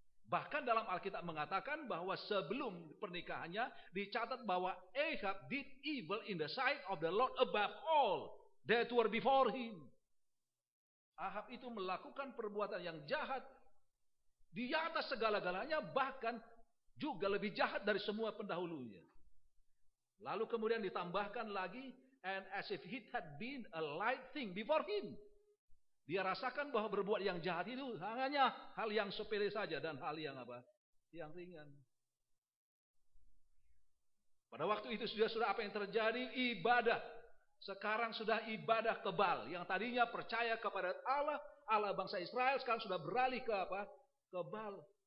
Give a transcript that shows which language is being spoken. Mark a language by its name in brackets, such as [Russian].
[Indonesian] Bahkan dalam Alkitab mengatakan bahwa sebelum pernikahannya dicatat bahwa [English] Ahab did evil in the sight of the Lord above all that were before him. [Indonesian] Ahab itu melakukan perbuatan yang jahat di atas segala-galanya, bahkan juga lebih jahat dari semua pendahulunya. Lalu kemudian ditambahkan lagi, [English] and as if it had been a light thing before him. [Indonesian] Dia rasakan bahwa berbuat yang jahat itu hanya hal yang sepele saja dan hal yang apa? Yang ringan. Pada waktu itu sudah apa yang terjadi? Ibadah. Sekarang sudah ibadah kebal. Yang tadinya percaya kepada Allah, Allah bangsa Israel, sekarang sudah beralih ke apa? Kebal.